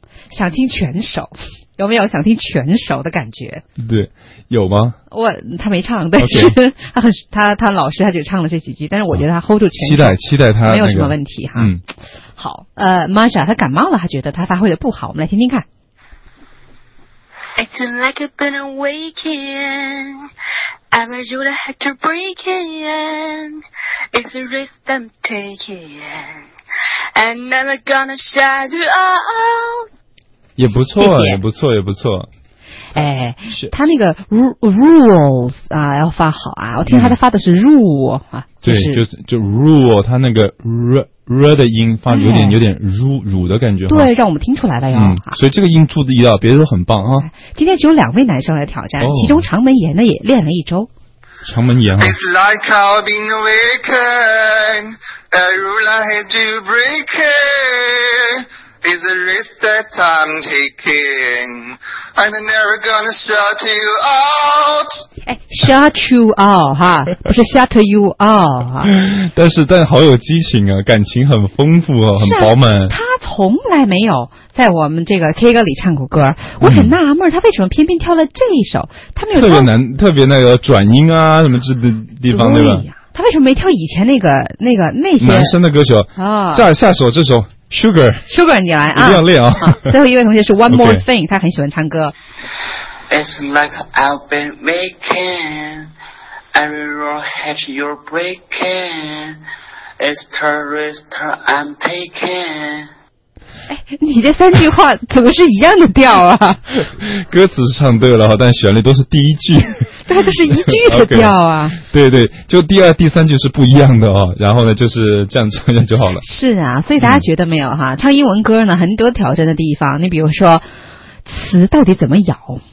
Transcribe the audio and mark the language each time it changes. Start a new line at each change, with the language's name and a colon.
Chinese: 想听全首，有没有想听全首的感觉？对，有吗？我他没唱，但是、
English: okay.
Chinese: 他老师他就唱了这几句，但是我觉得他 hold 住全首。期待他、那个、没有什么问题哈。嗯，好，Masha 他感冒了，他觉得他发挥的不好，我们来听听看。
English: Acting like I've been awakening, I'm a jewel that you're breaking. It's a risk that I'm taking, and I'm never gonna shut you out.
Chinese: 也不错，谢谢，也不错，也不错。哎，他那个 rules 啊，要发好啊！我听他的发的是 rule、嗯、啊，对，就 rule， 他那个 r 的音发有点 乳的感觉，对，让我们听出来了哟。嗯，所以这个音注意到，别说很棒啊！今天只有两位男生来挑战，哦、其中长门岩呢也练了一周。长门岩、啊。
English: It's like I've been awakened, a rule I had to break it. It's a risk that I'm taking. I'm never gonna shut you out.
Chinese: 哎 ，
English: shut you out
Chinese: 哈，不是 shut you out 哈。但好有激情啊，感情很丰富啊，很饱满。他从来没有在我们这个 K 歌里唱过歌，我很纳闷，他为什么偏偏跳了这一首？他没有特别难，特别那个转音啊，什么这的地方对吧？他为什么没跳以前那个那些男生的歌手啊？下首这首。Sugar 你来啊，一定要练啊。最后一位同学是 One More Thing、
English: okay.
Chinese: 他很喜欢唱歌。
English: It's like I've been making every rule hatch you're breaking. It's terrorist I'm taking.
Chinese: 哎，你这三句话怎么是一样的调啊？歌词唱对了，但旋律都是第一句，但这是一句的调啊。
English: okay.
Chinese: 对对，就第二第三句是不一样的哦，然后呢就是这样唱一下就好了。是啊，所以大家觉得没有哈、嗯、唱英文歌呢很多挑战的地方，你比如说词到底怎么咬，